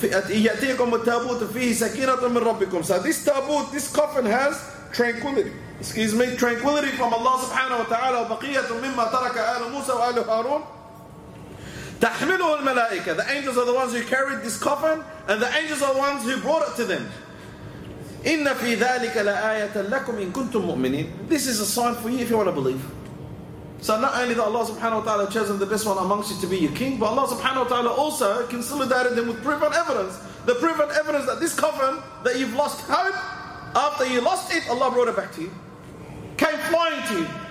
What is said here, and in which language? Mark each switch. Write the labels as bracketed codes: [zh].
[ar] يأتيكم التابوت فيه سكينة من ربكم. [en] So this tabut, this coffin has tranquility. Excuse me, tranquility from Allah subhanahu wa ta'ala. [ar] وبقية مما ترك آل موسى وآل هارون تحمله الملائكة. [en] The angels are the ones who carried this coffin, and the angels are the ones who brought it to them. [ar] إن في ذلك لآية لكم إن كنتم مؤمنين. [en] This is a sign for you if you want to believe. So not only that Allah subhanahu wa ta'ala chosen the best one amongst you to be your king, but Allah subhanahu wa ta'ala also consolidated them with proof and evidence. The proof and evidence that this coffin, that you've lost hope, after you lost it, Allah brought it back to you. Came flying to you.